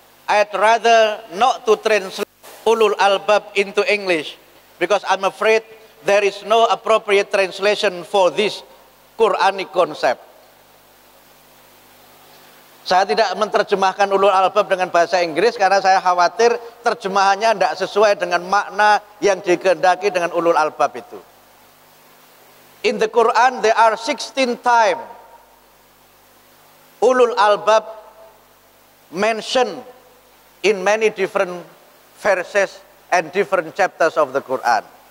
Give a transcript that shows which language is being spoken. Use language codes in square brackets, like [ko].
[en] I'd rather not to translate ulul albab into English because I'm afraid there is no appropriate translation for this Quranic concept. [id] Saya tidak menerjemahkan ulul albab dengan bahasa Inggris karena saya khawatir terjemahannya tidak sesuai dengan makna yang dikehendaki dengan ulul albab itu. [en] In the Quran there are 16 times ulul albab mentioned in many different verses and different chapters of the Quran.